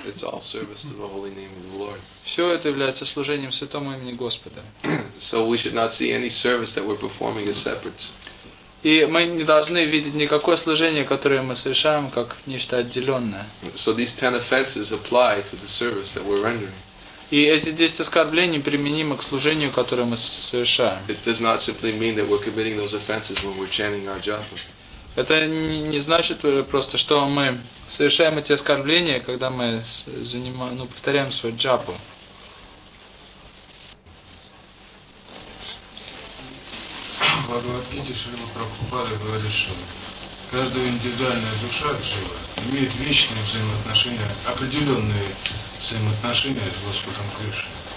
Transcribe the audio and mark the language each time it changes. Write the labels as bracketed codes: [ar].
[en] It's all service to the holy name of the Lord. [ru] Все это является служением святому имени Господа. [en] So we should not see any service that we're performing as separate. [ru] И мы не должны видеть никакое служение, которое мы совершаем, как нечто отделенное. [en] So these 10 offenses apply to the service that we're rendering. [ru] И эти 10 оскорблений применимы к служению, которое мы совершаем. [en] It does not simply mean that we're committing those offenses when we're chanting our japa. [ru] Это не значит просто, что мы совершаем эти оскорбления, когда мы повторяем свою джапу. Бхагавад-гите Шрила Прабхупада говорит, что каждая индивидуальная душа жива имеет вечные взаимоотношения, определенные взаимоотношения с Господом Кришной.